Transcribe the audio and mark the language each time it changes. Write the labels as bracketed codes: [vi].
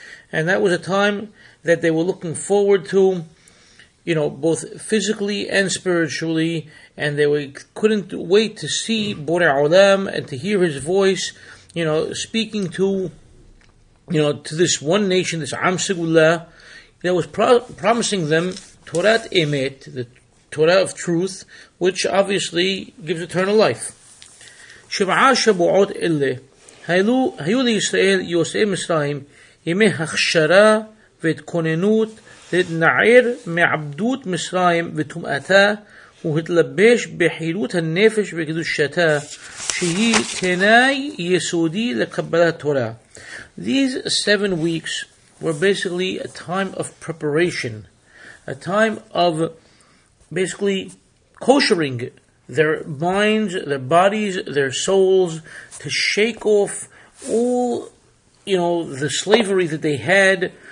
[en] And that was a time that they were looking forward to, you know, both physically and spiritually, and they couldn't wait to see Borei Olam and to hear his voice, you know, speaking to, you know, to this one nation, this Am Segula, that was promising them Torat Emet, the Torah of truth, which obviously gives eternal life. [he] שבעה שבועות אלה היו לישראל יוסעי מצרים ימי הכשרה והתכוננות להתנער מעבדות מצרים ותומעתה והתלבש בחילות הנפש וקדושתה שהיא תנאי יסודי לקבלת תורה. [en] These 7 weeks were basically a time of preparation, a time of basically koshering their minds, their bodies, their souls, to shake off all, you know, the slavery that they had,